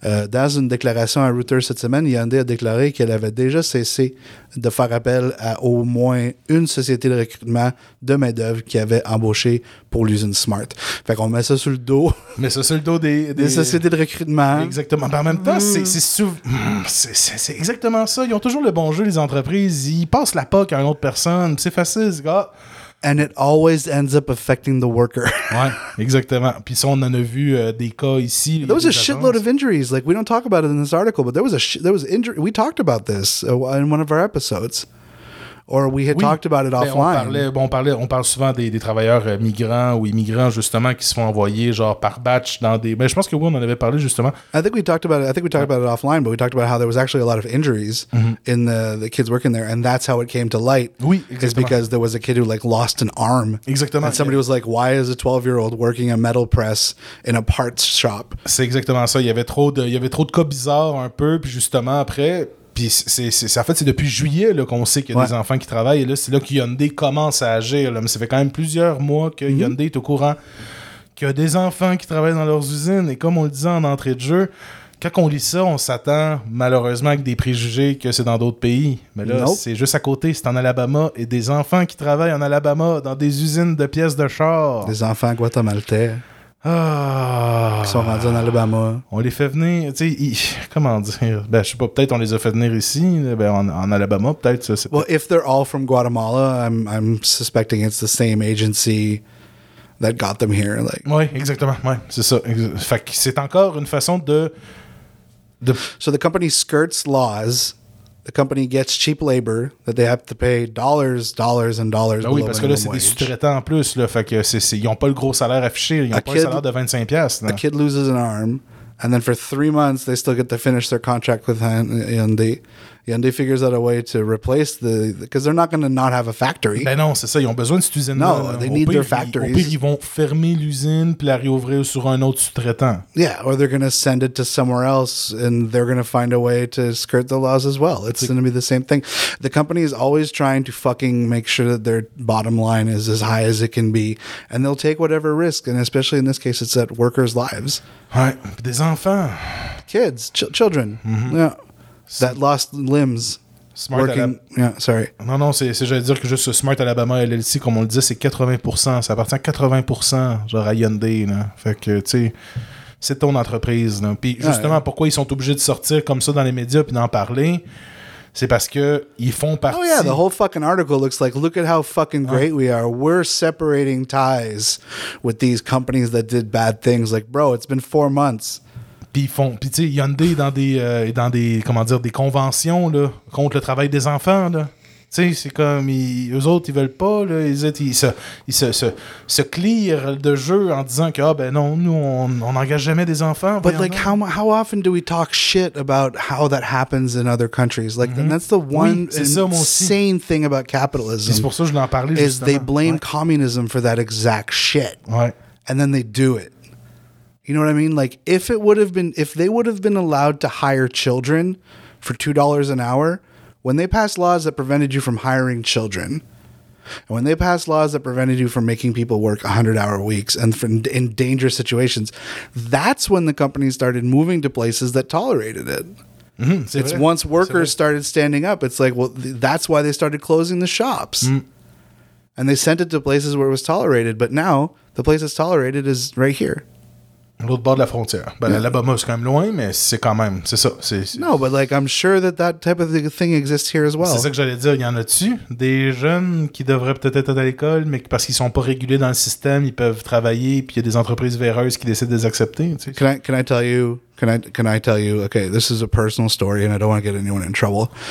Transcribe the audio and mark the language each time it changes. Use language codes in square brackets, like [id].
[fr] Dans une déclaration à Reuters cette semaine, Hyundai a déclaré qu'elle avait déjà cessé de faire appel à au moins une société de recrutement de main-d'œuvre qui avait embauché pour l'usine Smart. Fait qu'on met ça sur le dos. Mais ça sur le dos des sociétés de recrutement. Exactement. Mais en même temps, c'est exactement ça. Ils ont toujours le bon jeu, les entreprises. Ils passent la poque à une autre personne. C'est facile, ce gars. [en] And it always ends up affecting the worker. [fr] Ouais, exactement. Puis ça, on en a vu des cas ici. [en] There was a shitload of injuries. Like, we don't talk about it in this article, but there was injury. We talked about this in one of our episodes. Or we had talked about it offline. [fr] On parle souvent des travailleurs migrants ou immigrants, justement, qui se font envoyer, genre, par batch dans des... Mais je pense que oui, on en avait parlé, justement. [en] I think we talked about it offline, but we talked about how there was actually a lot of injuries in the kids working there, and that's how it came to light. [fr] Oui, exactement. [en] Is because there was a kid who, like, lost an arm. [fr] Exactement. [en] And somebody was like, why is a 12-year-old working a metal press in a parts shop? [fr] C'est exactement ça. Il y avait trop de cas bizarres, un peu, puis justement, après... Puis c'est depuis juillet là, qu'on sait qu'il y a des enfants qui travaillent. Et là, c'est là que Hyundai commence à agir. Là. Mais ça fait quand même plusieurs mois que Hyundai est au courant qu'il y a des enfants qui travaillent dans leurs usines. Et comme on le disait en entrée de jeu, quand on lit ça, on s'attend malheureusement avec des préjugés que c'est dans d'autres pays. Mais là, c'est juste à côté, c'est en Alabama. Et des enfants qui travaillent en Alabama dans des usines de pièces de char. Des enfants guatémaltais. qui sont rendus en Alabama. On les fait venir, tu sais, comment dire, ben je sais pas, peut-être on les a fait venir ici, ben en Alabama, peut-être. Ça, [en] well, if they're all from Guatemala, I'm suspecting it's the same agency that got them here. Like. [fr] Oui, exactement, ouais, c'est ça. Fait que c'est encore une façon de... [en] So the company skirts laws. The company gets cheap labor that they have to pay dollars, and dollars. [fr] Ben oui, parce que là, c'est des sous-traitants en plus. Là, fait que c'est, ils n'ont pas le gros salaire affiché. Ils n'ont pas le salaire de 25$. [en] A kid loses an arm, and then for 3 months, they still get to finish their contract with Hyundai. Hyundai figures out a way to replace the... Because they're not going to not have a factory. [fr] Ben non, c'est ça. Ils ont besoin de cette usine-là. [en] No, they need their factories. [fr] Au pire, ils vont fermer l'usine puis la réouvrir sur un autre sous-traitant. [en] Yeah, or they're going to send it to somewhere else and they're going to find a way to skirt the laws as well. It's going to be the same thing. The company is always trying to fucking make sure that their bottom line is as high as it can be. And they'll take whatever risk. And especially in this case, it's at workers' lives. [fr] Ouais, puis des enfants. [en] Kids, children. Mm-hmm. Yeah. That lost limbs. Smart working. Alabama. Yeah, sorry. [fr] Non, non, c'est j'allais dire que juste Smart Alabama LLC, comme on le disait, c'est 80%. Ça appartient à 80%, genre à Hyundai. Là. Fait que, tu sais, c'est ton entreprise. Là. Puis justement, ouais. Pourquoi ils sont obligés de sortir comme ça dans les médias puis d'en parler, c'est parce qu'ils font partie. [en] Oh, yeah, the whole fucking article looks like, look at how fucking great we are. We're separating ties with these companies that did bad things. Like, bro, it's been 4 months. [fr] Puis ils font, puis tu sais, Hyundai est dans des, comment dire, des conventions là, contre le travail des enfants là. Tu sais, c'est comme eux autres, ils veulent pas là, ils se clear de jeu en disant que ah ben non, nous on n'engage jamais des enfants. [en] But like how often do we talk shit about how that happens in other countries? Like, mm-hmm. And that's the one, [fr] oui, c'est ça, moi aussi, [en] insane thing about capitalism. [fr] C'est pour ça que je l'en parlais. [en] Is [fr] justement. [en] They blame, ouais, communism for that exact shit. [fr] Ouais. [en] And then they do it. You know what I mean? Like, if they would have been allowed to hire children for $2 an hour, when they passed laws that prevented you from hiring children, and when they passed laws that prevented you from making people work 100-hour weeks and in dangerous situations, that's when the company started moving to places that tolerated it. Mm-hmm, it's [fr] vrai. [en] Once workers started standing up, it's like, well, that's why they started closing the shops. Mm. And they sent it to places where it was tolerated, but now the place that's tolerated is right here. [fr] L'autre bord de la frontière. Ben, yeah. L'Alabama, c'est quand même loin, mais c'est quand même... C'est ça. C'est... [en] No, but like, I'm sure that that type of thing exists here as well. [fr] C'est ça que j'allais dire. Il y en a-tu des jeunes qui devraient peut-être être à l'école, mais parce qu'ils sont pas régulés dans le système, ils peuvent travailler, puis il y a des entreprises véreuses qui décident de les accepter, tu sais? [en] Can I tell you... Okay, this is a personal story, and I don't want to get anyone in trouble.